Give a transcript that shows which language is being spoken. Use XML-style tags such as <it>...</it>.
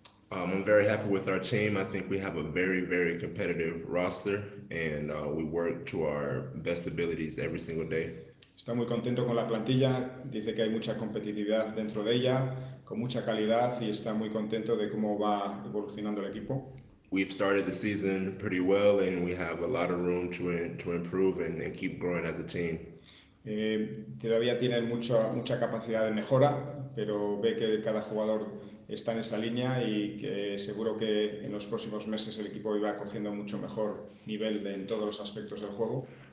<en>I'm very happy with our team. I think we have a very, very competitive roster and we work to our best abilities every single day.</en> <es>Está muy contento con la plantilla. Dice que hay mucha competitividad dentro de ella, con mucha calidad y está muy contento de cómo va evolucionando el equipo.</es> <en>We've started the season pretty well and we have a lot of room to improve and keep growing as a team.</en> <es>Todavía tienen mucha capacidad de mejora, pero ve que cada jugador está en esa línea y que seguro que en los próximos meses el equipo irá cogiendo mucho mejor nivel en todos los aspectos del juego.</es>